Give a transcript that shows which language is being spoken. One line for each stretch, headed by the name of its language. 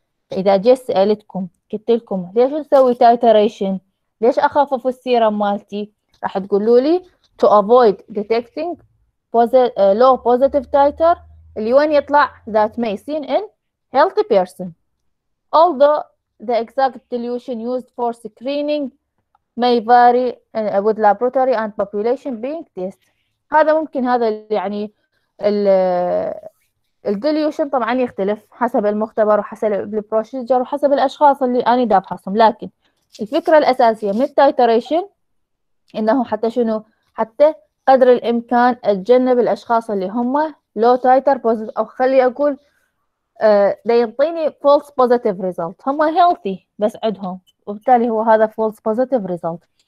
Arabic: فاذا جيت سالتكم قلت لكم ليش نسوي تايتريشن، ليش اخفف السيرم مالتي، راح تقولوا لي تو افويد ديتكتنج لو بوزيتيف تايتر اللي وين يطلع ذات ماي سين ان هيلثي بيرسون.
English: although the exact dilution used for screening may vary with laboratory and population being test.
Arabic: هذا ممكن، هذا يعني الديليوشن طبعا يختلف حسب المختبر وحسب البروسيجر وحسب الاشخاص اللي اني دا بحصهم، لكن الفكره الاساسيه من التايتريشن انه حتى شنو، حتى قدر الامكان اتجنب الاشخاص اللي هم لو تايتر بوزيتيف، او خلي اقول دا يعطيني فولس بوزيتيف ريزلت، هم هيلثي بس عندهم، وبالتالي هو هذا فولس بوزيتيف ريزلت.